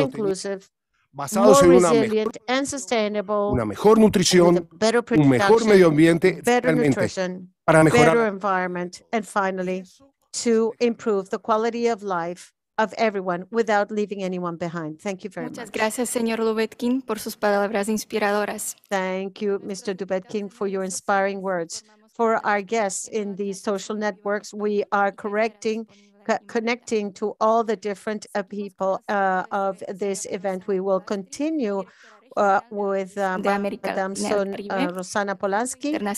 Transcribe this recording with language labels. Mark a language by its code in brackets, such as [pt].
[es] y sostenibles, basados en una mejor nutrición, un mejor medio ambiente, realmente, para mejorar [en] el environment, and finally, to improve the quality of life of everyone without leaving anyone behind. Thank you very much. [es] Muchas gracias, señor Dubetkin, por sus palabras inspiradoras. [en] Thank you, Mr. Dubetkin, for your inspiring words. For our guests in the social networks, we are connecting to all the different people of this event. We will continue with Madame Rosana Polanski,